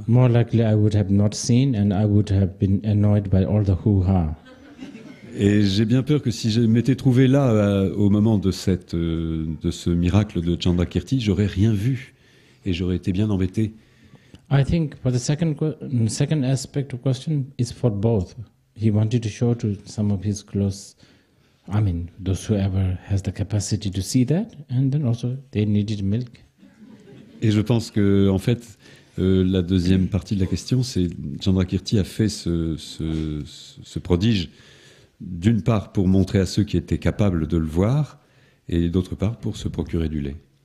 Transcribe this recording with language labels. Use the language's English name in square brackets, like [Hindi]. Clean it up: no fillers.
[English] more likely I would have not seen and I would have been annoyed by all the hoo-ha. [French] Et j'ai bien peur que si je m'étais trouvé là au moment de ce miracle de Chandrakirti, j'aurais rien vu et j'aurais été bien embêté. [English] I think for the second aspect of question is for both. He wanted to show to some of his close, I mean, those whoever has the capacity to see that, and then also they needed milk. [French] Et je pense que, en fait, la deuxième partie de la question, c'est Chandrakirti a fait ce prodige, d'une part pour montrer à ceux qui étaient capables de le voir, et d'autre part pour se procurer du lait.